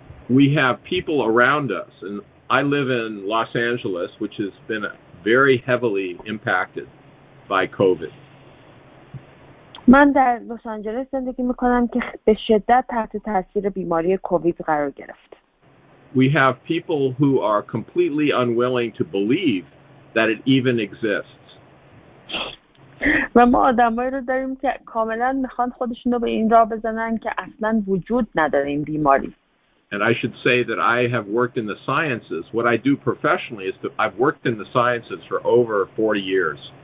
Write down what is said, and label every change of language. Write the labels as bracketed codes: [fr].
[en] We have people around us and I live in Los Angeles which has been very heavily impacted by COVID [fa] من در لس آنجلس زندگی میکنم که به شدت تحت تاثیر بیماری کووید قرار گرفت. [en] We have people who are completely unwilling to believe that it even exists. [fa] و ما آدمایی رو داریم که کاملا میخوان خودشون رو به این راه بزنن که اصلا وجود نداره این بیماری. [en] And I should say that I have worked in the sciences. What I do professionally is that I've worked in the sciences for over 40 years.